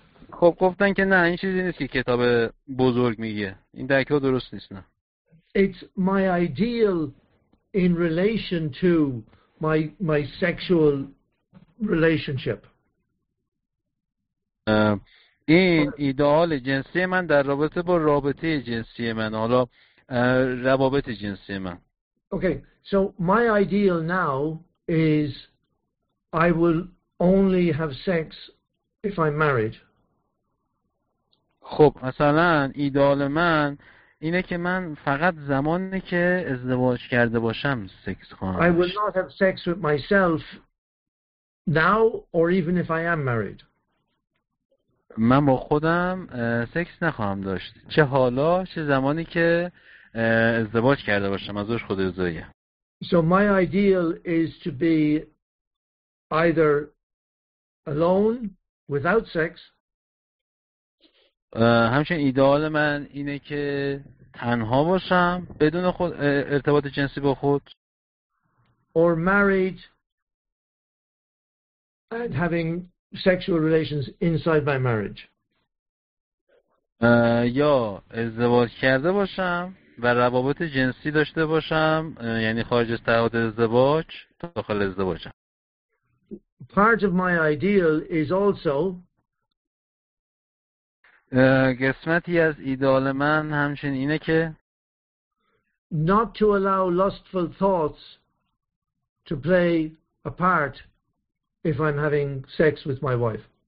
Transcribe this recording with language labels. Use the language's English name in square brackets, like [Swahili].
[Persian] خب گفتن که نه این چیزی نیست که کتاب بزرگ میگه. این درکه درست نیست نه. [English] It's my ideal in relation to my sexual relationship. [Persian] این ایدئال جنسی من در رابطه با رابطه جنسی من، حالا روابط جنسی من. [English] Okay, so my ideal now is I will only have sex if I'm married. [Persian] خب مثلا ایدئال من اینه که من فقط زمانی که ازدواج کرده باشم سکس خواهم داشت. [English] I will not have sex with myself now or even if I am married. [Persian] من با خودم سکس نخواهم داشت، چه حالا چه زمانی که ازدواج کرده باشم، ازش خود ازدواجه. [English] So my ideal is to be either alone without sex. [Persian] همچنین ایدئال من اینه که تنها باشم بدون خود ارتباط جنسی با خود. [English] Or married and having sexual relations inside my marriage. [Persian] یا ازدواج کرده باشم و روابط جنسی داشته باشم، یعنی خارج از تعهد ازدواج داخل ازدواجم. [English] Part of my ideal is also [Persian] قسمتی از ایدئال من همچنین اینه که [English] not to allow lustful thoughts to play a part if I'm having sex with my wife.